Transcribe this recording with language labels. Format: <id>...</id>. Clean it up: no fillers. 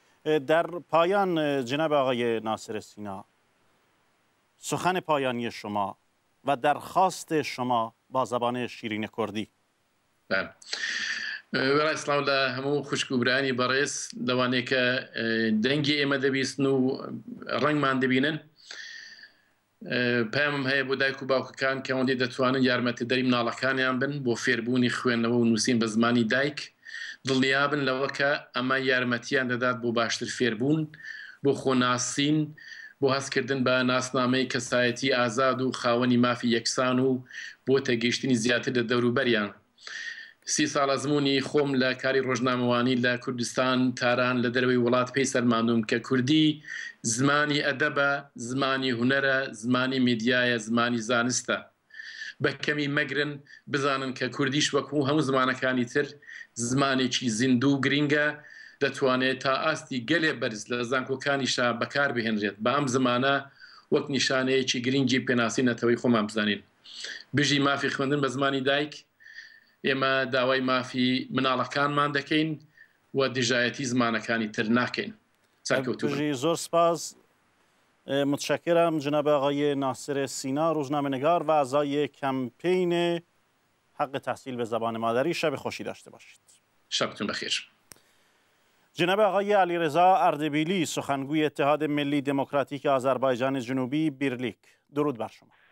<fa>در پایان جناب آقای ناصر سینا، سخن پایانی شما و درخواست شما با زبان شیرین کردی. بله. سلام الله همو خوشگوبرانی بارس دوانه که دنگی ایمه دویست نو رنگ منده بینن.</fa> <ku>پیامم هەیە بۆ دایک و باوکەکان کە ئەوەندە دەتوانن یارمەتیداری مناڵەکانیان بن بۆ فێربوونی خوێندنەوە و نووسین بە زمانی دایک. دڵنیابن لەوە کە ئەمە یارمەتیان دەدات بۆ باشتر فێربوون، بۆ خۆناسین، بۆ هەستکردن بە ناسنامەی کەسایەتی ئازاد و خاوەنی مافی یەکسان و بۆ تێگەیشتنی زیاتر لە دەوروبەریان. 30 ساڵ ئەزموونی خۆم لە کاری ڕۆژنامەوانی لە کوردستان تاران لە دەرەوەی وڵات پێی سەرماندووم کە کوردی زمانی ئەدەبە، زمانی هونەرە، زمانی میدیایە، زمانی زانستە. بە کەمی مەگرن بزانن کە کوردیش وەکو هەموو زمانەکانی تر زمانێکی زیندوو گرینگە، دەتوانێت تا ئاستی گەلێ بەرز لە زانکۆکانیشا بەکار بهێنرێت. بە ئەم زمانە وەک نیشانەیەکی گرینگی پێناسیینەتەوەی خۆمان بزانین. بژی مافی خوێندن بە زمانی دایک، ئێمە داوای مافی مناڵەکانمان دەکەین و دژایەتی زمانەکانی تر ناکەین. زۆر سپاس،</ku> <fa>متشکرم جناب آقای ناصر سینا، روزنامه‌نگار و اعضای کمپین حق تحصیل به زبان مادری. شب خوشی داشته باشید. شبتون بخیر. جناب آقای علیرضا اردبیلی، سخنگوی اتحاد ملی دموکراتیک آذربایجان جنوبی، بیرلیک، درود بر شما.</fa>